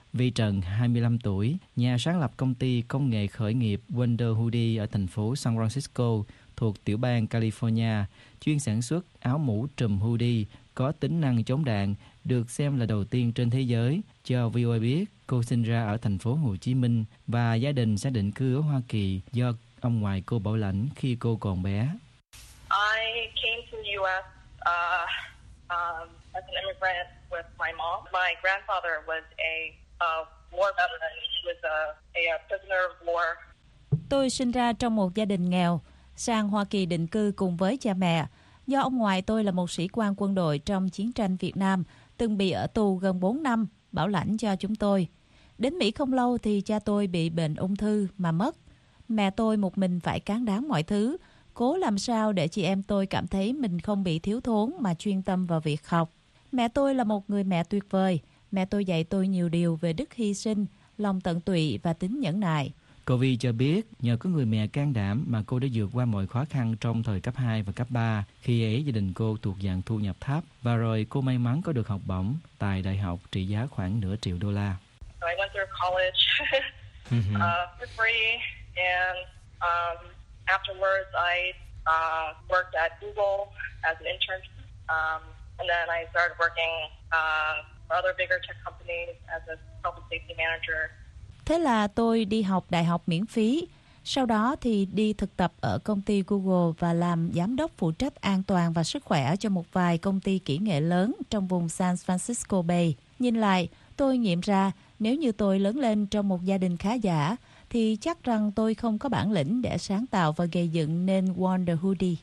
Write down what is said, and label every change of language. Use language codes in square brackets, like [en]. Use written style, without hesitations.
[vi] Vi Trần, 25 tuổi, nhà sáng lập công ty công nghệ khởi nghiệp Wonder Hoodie ở thành phố San Francisco thuộc tiểu bang California, chuyên sản xuất áo mũ trùm hoodie có tính năng chống đạn, được xem là đầu tiên trên thế giới. Cho VOA biết, cô sinh ra ở thành phố Hồ Chí Minh và gia đình sẽ định cư ở Hoa Kỳ do ông ngoại cô bảo lãnh khi cô còn bé. [en] I came to the US as an immigrant with my mom. My grandfather was a prisoner of war. [vi] Tôi sinh ra trong một gia đình nghèo, sang Hoa Kỳ định cư cùng với cha mẹ. Do ông ngoại tôi là một sĩ quan quân đội trong chiến tranh Việt Nam, từng bị ở tù gần 4 năm, bảo lãnh cho chúng tôi. Đến Mỹ không lâu thì cha tôi bị bệnh ung thư mà mất. Mẹ tôi một mình phải cán đáng mọi thứ, cố làm sao để chị em tôi cảm thấy mình không bị thiếu thốn mà chuyên tâm vào việc học. Mẹ tôi là một người mẹ tuyệt vời. Mẹ tôi dạy tôi nhiều điều về đức hy sinh, lòng tận tụy và tính nhẫn nại. Cô Vi cho biết, nhờ có người mẹ can đảm mà cô đã vượt qua mọi khó khăn trong thời cấp 2 và cấp 3, khi ấy gia đình cô thuộc dạng thu nhập thấp, và rồi cô may mắn có được học bổng tại đại học trị giá khoảng nửa triệu đô la. [en] I went through college for free, and afterwards I worked at Google as an intern, and then I started working for other bigger tech companies as a health and safety manager. [vi] Thế là tôi đi học đại học miễn phí, sau đó thì đi thực tập ở công ty Google và làm giám đốc phụ trách an toàn và sức khỏe cho một vài công ty kỹ nghệ lớn trong vùng San Francisco Bay. Nhìn lại, tôi nghiệm ra nếu như tôi lớn lên trong một gia đình khá giả, thì chắc rằng tôi không có bản lĩnh để sáng tạo và gây dựng nên Wonder Hoodie.